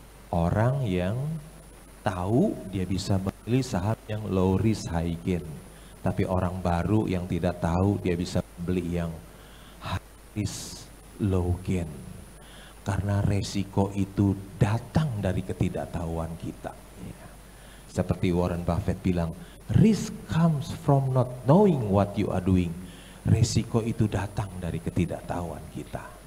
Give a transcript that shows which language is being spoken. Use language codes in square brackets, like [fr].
[id] Orang yang tahu dia bisa membeli saham yang [en] low risk high gain. [id] Tapi orang baru yang tidak tahu dia bisa beli yang [en] is low gain, [id] karena resiko itu datang dari ketidaktahuan kita. Seperti Warren Buffett bilang, [en] risk comes from not knowing what you are doing. [id] Resiko itu datang dari ketidaktahuan kita.